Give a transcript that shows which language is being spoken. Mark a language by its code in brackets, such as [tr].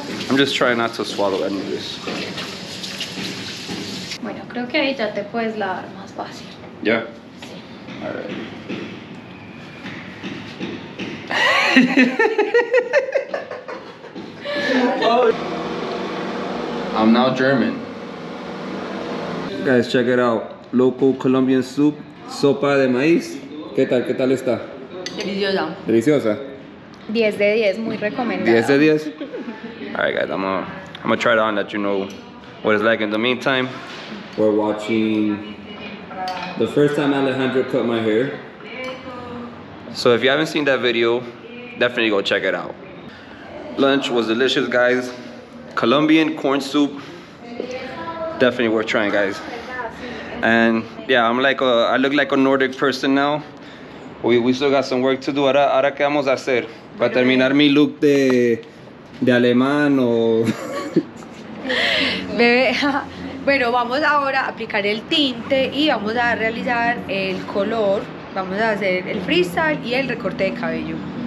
[en] I'm just trying not to swallow any of this. [es] Bueno, creo que ahí ya te puedes lavar más fácil. ¿Ya? Sí. [en] All right. I'm now German. Guys, check it out. Local Colombian soup, [es] sopa de maíz. ¿Qué tal está? Deliciosa. ¿Deliciosa? 10 de 10, muy recomendada. 10 de 10? [en] Alright guys, I'm gonna try it on, let you know what it's like. In the meantime, we're watching the first time Alejandro cut my hair. So if you haven't seen that video, definitely go check it out. Lunch was delicious, guys. Colombian corn soup, definitely worth trying, guys. And yeah, I look like a Nordic person now. We still got some work to do. [es] Ahora qué vamos a hacer para terminar mi look de alemán o bebé. Bueno, vamos ahora a aplicar el tinte y vamos a realizar el color. Vamos a hacer el freestyle y el recorte de cabello.